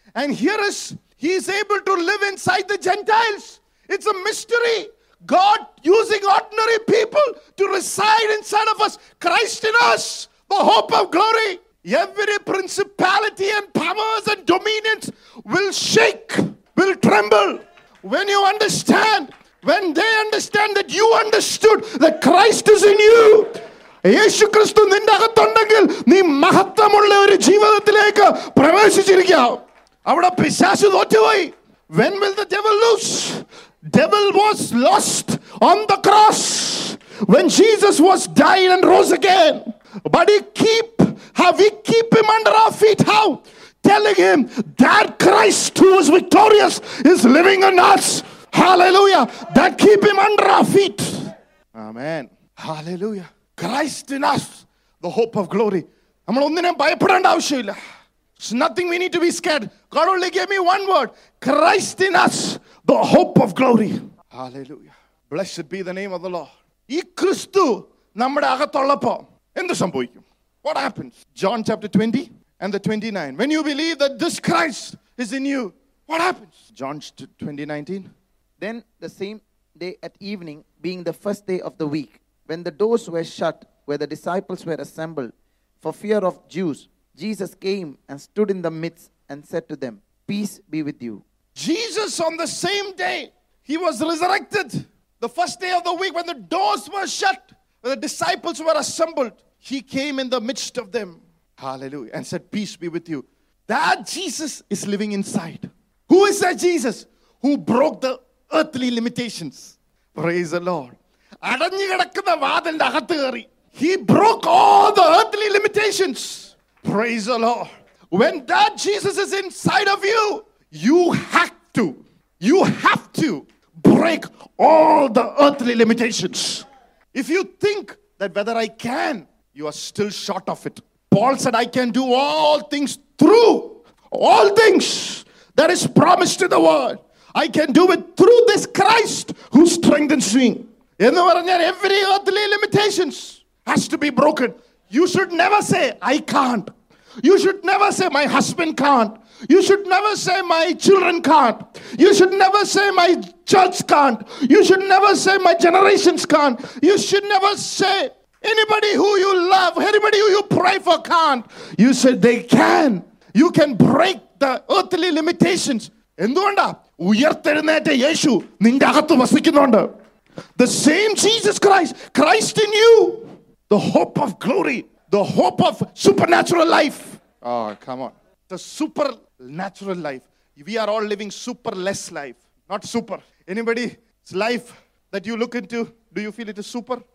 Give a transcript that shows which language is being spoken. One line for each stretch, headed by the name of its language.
English: And here is, he is able to live inside the Gentiles. It's a mystery. God using ordinary people to reside inside of us. Christ in us, the hope of glory. Every principality and powers and dominions will shake, will tremble. When you understand, when they understand that you understood that Christ is in you,
Malayalam: യേശു ക്രിസ്തു നിന്റെ അകത്തുണ്ടെങ്കിൽ നീ മഹത്വമുള്ള ഒരു ജീവിതത്തിലേക്ക് പ്രവേശിച്ചിരിക്കാം. അവിടെ പിശാച് തോറ്റുപോയി.
English: When will the devil lose? Devil was lost on the cross when Jesus was died and rose again. But we keep him under our feet. How? Telling him that Christ who was victorious is living in us. Hallelujah. That keep him under our feet. Amen. Hallelujah. Christ in us, the hope of glory.
Malayalam: നമ്മൾ ഒന്നിനെയും ഭയപ്പെടേണ്ട ആവശ്യമില്ല.
English: So nothing we need to be scared. God only gave me one word. Christ in us, the hope of glory. Hallelujah. Blessed be the name of the Lord.
Malayalam: ഈ ക്രിസ്തു നമ്മുടെ അകത്തുള്ളപ്പോൾ എന്ത് സംഭവിക്കും?
English: What happens? John chapter 20 and the 29. When you believe that this Christ is in you, what happens? John 20:19. Then the same day at evening, being the first day of the week, when the doors were shut where the disciples were assembled for fear of Jews, Jesus came and stood in the midst and said to them, "Peace be with you." Jesus, on the same day he was resurrected, the first day of the week when the doors were shut, when the disciples were assembled, he came in the midst of them. Hallelujah. And said, "Peace be with you." That Jesus is living inside. Who is that Jesus? Who broke the earthly limitations. Praise the Lord.
Malayalam: അടഞ്ഞു കിടക്കുന്ന വാതിലിന്റെ അകത്ത് കയറി.
English: He broke all the earthly limitations. Praise the Lord. When that Jesus is inside of you, you have to break all the earthly limitations. If you think that whether I can, you are still short of it. Paul said, "I can do all things through all things that is promised in the word. I can do it through this Christ who strengthens me."
Malayalam: എന്ന് പറഞ്ഞാൽ
English: every earthly limitations has to be broken. You should never say, "I can't." You should never say, "My husband can't." You should never say, "My children can't." You should never say, "My church can't." You should never say, "My generations can't." You should never say, "Anybody who you love, anybody who you pray for can't." You said, "They can." You can break the earthly limitations.
Malayalam: എന്തുകൊണ്ട് ഉയർത്തെഴുന്നേറ്റ യേശു നിന്റെ അകത്ത് വസിക്കുന്നുണ്ട്.
English: The same Jesus Christ, Christ in you, the hope of glory, the hope of supernatural life. Oh, come on. The supernatural life. We are all living superless life. Not super. Anybody's life that you look into, do you feel it is super?